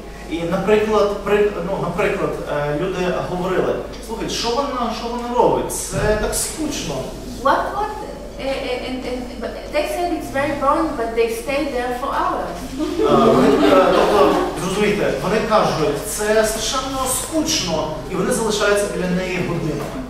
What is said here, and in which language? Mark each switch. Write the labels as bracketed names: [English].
[Ukrainian] І, наприклад, наприклад, люди говорили, слухайте, що вона робить, це так скучно. [English] What, and they said it's very boring, but they stayed there for hours. [Ukrainian] Зрозумійте, вони кажуть, це страшенно скучно, і вони залишаються біля неї годину.